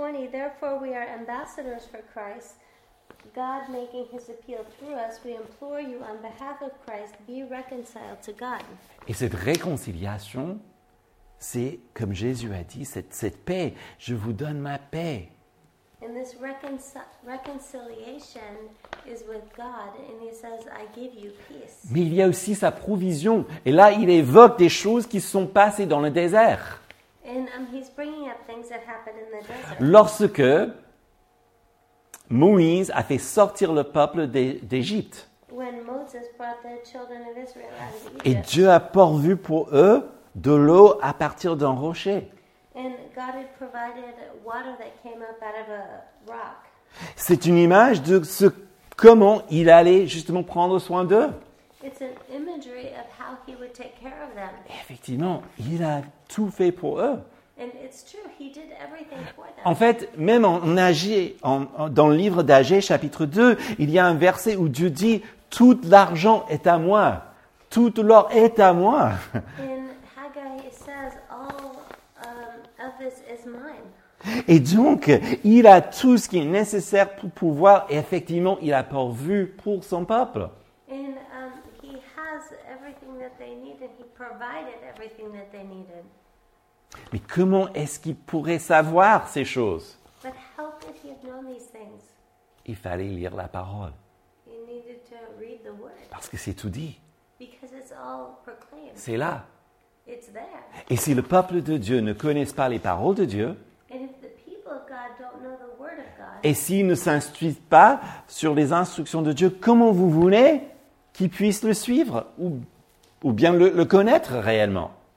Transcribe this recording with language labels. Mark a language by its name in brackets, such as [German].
[English] Therefore we are ambassadors for Christ, God making his appeal through us, we implore you on behalf of Christ, be reconciled to God. [French] Et cette réconciliation, c'est comme Jésus a dit, cette paix, je vous donne ma paix. [English] And this reconciliation is with God, and he says, I give you peace. [French] Mais il y a aussi sa provision, et là il évoque des choses qui sont passées dans le désert. [English] He's bringing up things that happened in the desert. [French] Lorsque Moïse a fait sortir le peuple d'Égypte. [English] When Moses brought the children of Israel out of Egypt. [French] Et Dieu a pourvu pour eux de l'eau à partir d'un rocher. [English] And God had provided water that came up out of a rock. [French] C'est une image de ce comment il allait justement prendre soin d'eux. [English] It's an imagery of how he would take care of them. [French] Effectivement, il a tout fait pour eux. [English] And it's true, he did everything for them. [French] En fait, même en Agée, dans le livre d'Agée, chapitre 2, il y a un verset où Dieu dit, « Tout l'argent est à moi. Tout l'or est à moi. » [English] In Haggai, it says, all of this is mine. [French] Et donc, il a tout ce qui est nécessaire pour pouvoir, et effectivement, il a pourvu pour son peuple. [English] And he has everything that they need, and he provided everything that they needed. [French] Mais comment est-ce qu'il pourrait savoir ces choses? [English] But how could he have known these things? [French] Il fallait lire la parole. [English] He needed to read the word. [French] Parce que c'est tout dit. [English] Because it's all proclaimed. [French] C'est là. [English] It's there. [French] Et si le peuple de Dieu ne connaisse pas les paroles de Dieu, [English] and if the people of God don't know the word of God, [French] et s'il ne s'instruit pas sur les instructions de Dieu, comment vous voulez qu'il puisse le suivre ou bien le connaître réellement?